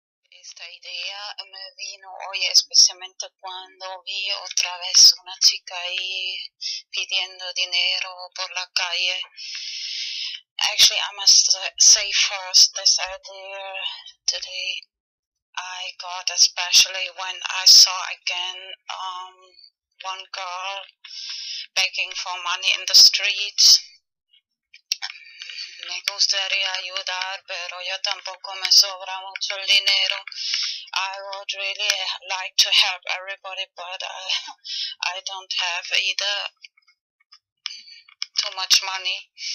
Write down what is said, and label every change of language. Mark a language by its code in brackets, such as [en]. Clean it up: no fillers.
[es] Esta idea me vino hoy especialmente cuando vi otra vez una chica ahí pidiendo dinero por la calle. [en] Actually, I must say first this idea today I got, especially when I saw again one girl begging for money in the streets. [es] Me gustaría ayudar, pero yo tampoco me sobra mucho el dinero. [en] I would really like to help everybody, but I don't have either too much money.